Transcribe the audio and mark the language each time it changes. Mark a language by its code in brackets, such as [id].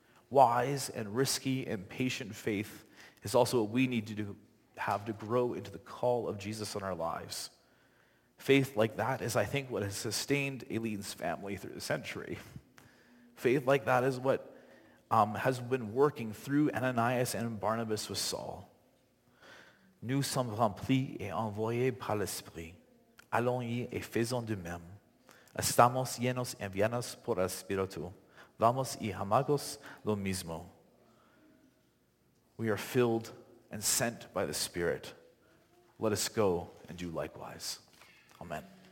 [en] Wise and risky and patient faith is also what we need to have to grow into the call of Jesus on our lives. Faith like that is, I think, what has sustained Aileen's family through the century. Faith like that is what has been working through Ananias and Barnabas with Saul. [fr] Nous sommes remplis et envoyés par l'Esprit. Allons-y et faisons de même. [es] Estamos llenos y envianos por el Espíritu. Vamos y hagamos lo mismo. [en] We are filled and sent by the Spirit. Let us go and do likewise. Amen.